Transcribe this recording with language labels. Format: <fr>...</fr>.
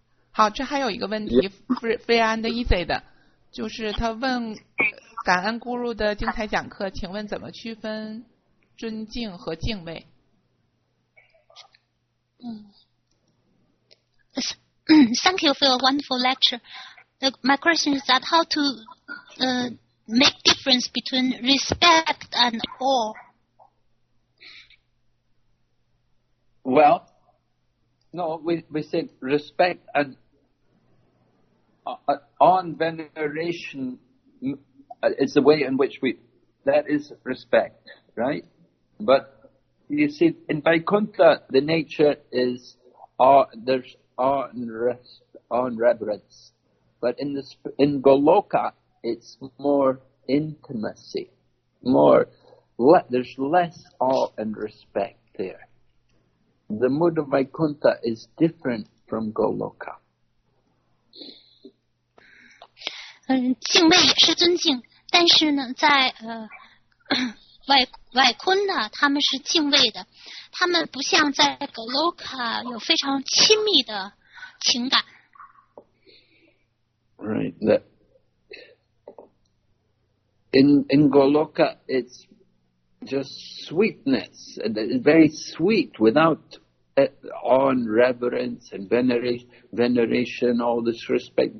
<zh>好，这还有一个问题，非安的 easy 的，就是他问感恩 Guru 的精彩讲课，请问怎么区分尊敬和敬畏？</zh> <en>Thank you for your wonderful lecture. My question is that how to make difference between respect and awe? Well, no, we said respect and awe and veneration is the way in which that is respect, right? But you see, in Vaikuntha, the nature is awe and reverence, but in Goloka it's more intimacy, there's less awe and respect there. The mood of Vaikuntha is different from Goloka.</en> <zh>敬畏也是尊敬，但是呢，在Vaikuntha他们是敬畏的，他们不像在 Goloka 有非常亲密的。情感</zh> <en>right, that in Goloka it's just sweetness, and it's very sweet without awe and reverence and veneration, all this respect.</en>